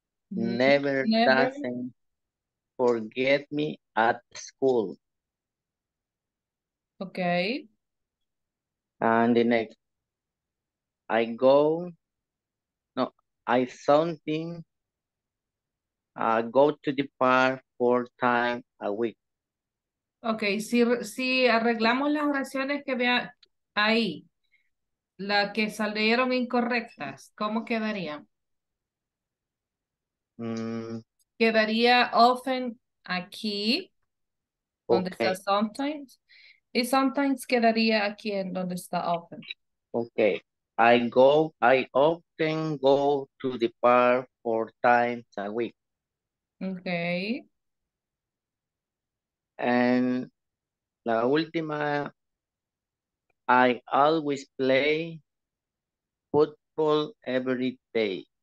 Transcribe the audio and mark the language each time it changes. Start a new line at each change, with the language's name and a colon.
English: never doesn't forget me at school. Okay. And the next, I go to the park 4 times a week.
Spanish: Okay, si arreglamos las oraciones que vea ahí, las que salieron incorrectas, ¿cómo quedaría? Quedaría often aquí, donde okay. Está sometimes. Y sometimes quedaría aquí en donde está often.
English: Okay. I often go to the park 4 times a week. Okay. And
Spanish: la última,
English: I always play football every day.